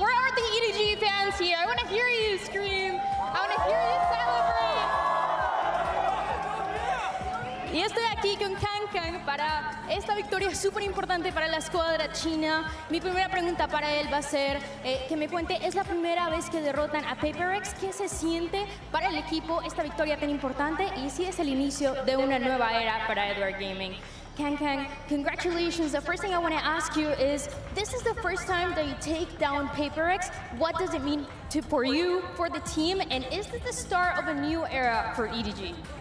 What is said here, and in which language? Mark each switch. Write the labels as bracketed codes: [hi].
[en] Where are the EDG fans here? I want to hear you scream. I want to hear you celebrate. [es] Y estoy aquí con Kang Kang para esta victoria súper importante para la escuadra china. Mi primera pregunta para él va a ser que me cuente, ¿es la primera vez que derrotan a PRX? ¿Qué se siente para el equipo esta victoria tan importante? Y si es el inicio de una nueva era para Edward Gaming. [en] Kang Kang, congratulations. The first thing I want to ask you is, this is the first time that you take down PRX. What does it mean to for you, for the team, and is it the start of a new era for EDG?